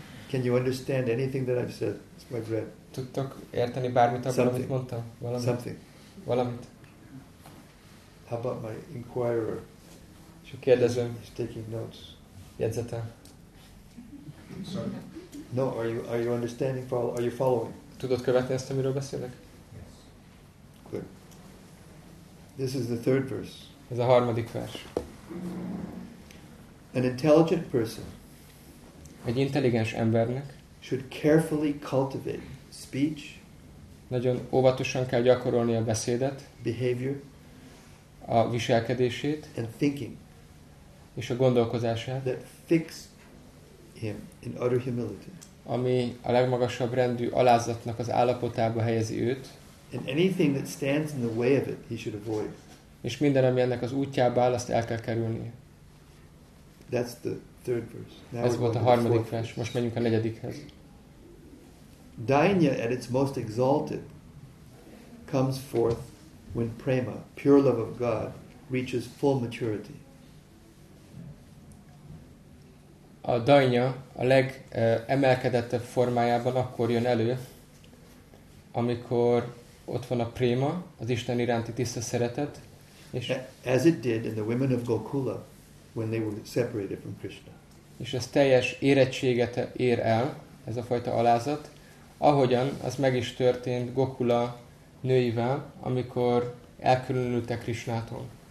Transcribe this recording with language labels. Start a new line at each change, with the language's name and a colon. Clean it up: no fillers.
English: Can you understand anything that I've said? It's my breath.
Hungarian: Tudtok érteni bármit, amit mondtam? Valamit.
English: Something.
Hungarian: Valamit.
English: How about my inquirer?
Hungarian: És a kérdezőm.
English: He's taking notes.
Hungarian: Jegyzete.
English: Sorry. No, are you understanding? Are you following?
Hungarian: Tudod követni ezt, amiről beszélek?
English: Yes. Good. This is the third verse.
Hungarian: Ez a harmadik vers.
English: An intelligent person,
Hungarian: egy intelligens embernek,
English: should carefully cultivate speech,
Hungarian: nagyon óvatosan kell gyakorolni a beszédet,
English: behavior,
Hungarian: a viselkedését,
English: and thinking,
Hungarian: és a gondolkozását,
English: that fix him in utter humility,
Hungarian: ami a legmagasabb rendű alázatnak az állapotába helyezi őt,
English: and anything that stands in the way of it, he should avoid.
Hungarian: És minden, ami ennek az útjába áll, azt el kell kerülnie.
English: That's the third verse.
Hungarian: Now ez volt a harmadik vers. Most menjünk a negyedikhez.
English: Dānya at its most exalted comes forth when prema, pure love of God, reaches full maturity.
Hungarian: A dānya a legemelkedettebb formájában akkor jön elő, amikor ott van a prema, az Isten iránti tiszta szeretet, és
English: as it did in the women of Gokula, when they were separated from Krishna.
Hungarian: És ez teljes érettséget ér el, ez a fajta alázat, ahogyan az meg is történt Gokula nőivel, amikor elkülönültek Krishnától.